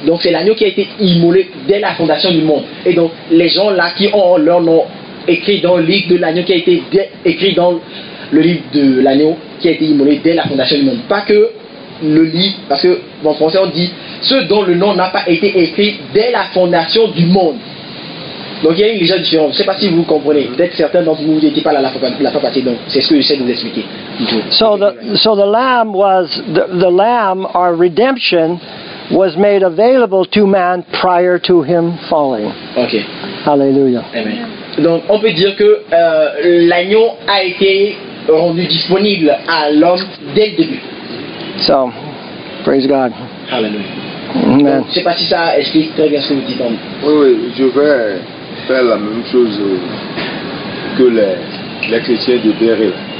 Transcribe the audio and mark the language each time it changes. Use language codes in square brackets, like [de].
[fr] Donc c'est l'agneau qui a été immolé dès la fondation du monde. Et donc les gens là qui ont leur nom écrit dans le livre de l'agneau qui a été écrit dans le livre de l'agneau qui a été immolé dès la fondation du monde. Pas que le livre, parce que en français on dit ce dont le nom n'a pas été écrit dès la fondation du monde. Donc il y a une légère différence. Je ne sais pas si vous comprenez. Peut-être certains d'entre vous n'étaient pas là la fois passée. Donc c'est ce que j'essaie de vous expliquer. [en] So the lamb was the lamb, our redemption, was made available to man prior to him falling. Okay. Hallelujah. Amen. [fr] Donc on peut dire que l'agneau a été rendu disponible à l'homme dès le début. [en] So, praise God. Hallelujah. Amen. [fr] Donc, je ne sais pas si ça explique très bien ce que vous dites. Oui, je vais faire la même chose que les chrétiens de Béré.